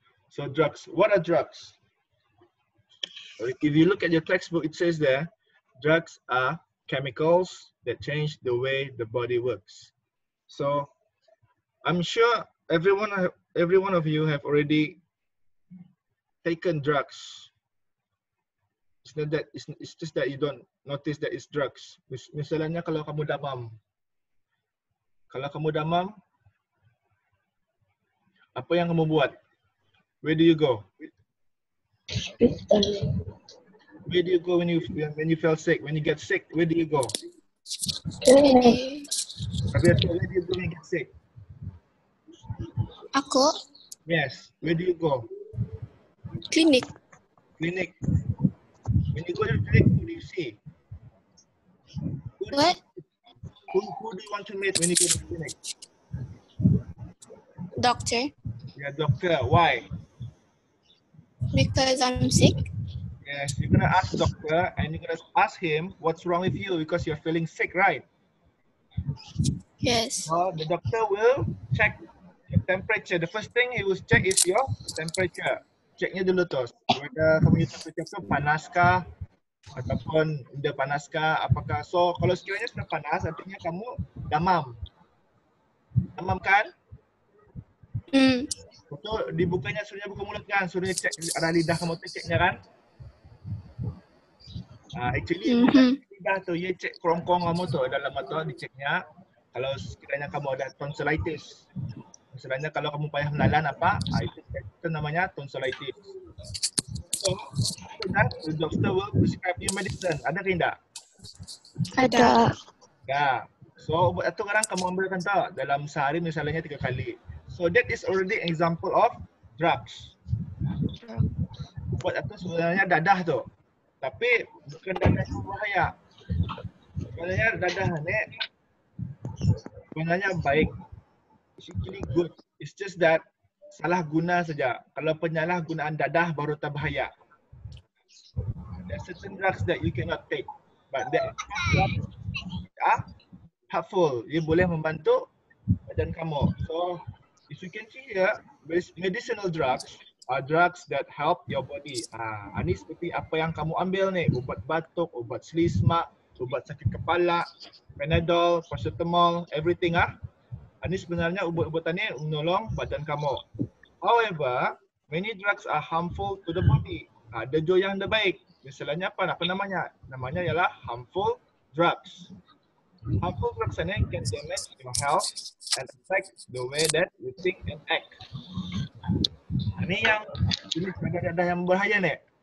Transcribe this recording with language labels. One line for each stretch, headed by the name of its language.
English: So drugs, what are drugs? If you look at your textbook, it says there, drugs are chemicals that change the way the body works. So I'm sure every one of you have already taken drugs. It's not that, it's just that you don't notice that it's drugs.
Malay: Misalnya kalau kamu demam. Kalau kamu demam, apa yang kamu buat?
English: Where do you go? Where do you go when you feel sick? When you get sick, where do you go? Where do you go when you get sick?
Malay: Aku?
English: Yes, where do you go?
Malay: Klinik. Klinik.
English: When you go to the clinic, who do you see? What? Who do you want to meet when you go to the clinic? Doctor. Yeah, doctor. Why? Because I'm sick. Yes, you're going to ask doctor and you're going to ask him what's wrong with you because you're feeling sick, right? Yes. Well, the doctor will check your temperature. The first thing he will check is your temperature.
Malay: Ceknya dulu tuh, whether kamu temperature itu panas kah ataupun udah panas kah, apakah so kalau sekiranya sudah panas artinya kamu demam kan? Itu dibukanya suruhnya buka mulut kan, suruhnya cek arah lidah kamu tuh ceknya kan? Actually lidah tuh ya cek kerongkong kamu tuh dalam mata diceknya kalau sekiranya kamu ada tonsilitis. Misalnya kalau kamu payah menelan apa, itu namanya tonsillitis.
English: So, that, the doctor will prescribe you medicine.
Malay: Ada ke tidak? Ada. Ya. So, obat itu sekarang kamu ambilkan tak? Dalam sehari misalnya 3 kali.
English: So, that is already an example of drugs.
Malay: Obat itu sebenarnya dadah tu. Tapi, bukan dadah yang bahaya. Sebenarnya dadah ini sebenarnya baik.
English: Actually good. It's just that
Malay: salah guna saja. Kalau penyalahgunaan dadah baru tak bahaya.
English: There are certain drugs that you cannot take, but that are helpful.
Malay: Ia boleh membantu badan kamu.
English: So, if you can see here, medicinal drugs are drugs that help your body.
Malay: Ini seperti apa yang kamu ambil nih? Ubat batuk, ubat selisma, ubat sakit kepala, Panadol, Paracetamol, everything ah. Ini sebenarnya ubat-ubatan ini menolong badan kamu.
English: However, many drugs are harmful to the body.
Malay: Ada juga yang tidak baik. Misalnya apa namanya? Namanya ialah harmful drugs.
English: Harmful drugs ini can damage your health and affect the way that you think and act.
Malay: Ini yang ini sebenarnya ada yang berbahaya nih.